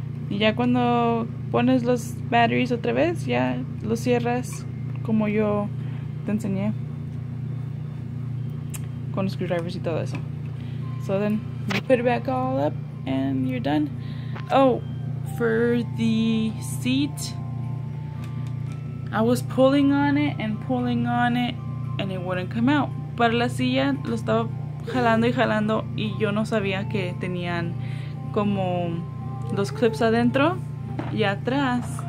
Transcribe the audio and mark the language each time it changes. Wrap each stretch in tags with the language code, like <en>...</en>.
<es>Y ya cuando pones los batteries otra vez, ya los cierras como yo te enseñé con los screwdrivers y todo eso.</es> <en>So then you put it back all up and you're done. Oh, for the seat, I was pulling on it and pulling on it and it wouldn't come out.</en> <es>Para la silla lo estaba jalando y jalando y yo no sabía que tenían como los clips adentro y atrás.</es>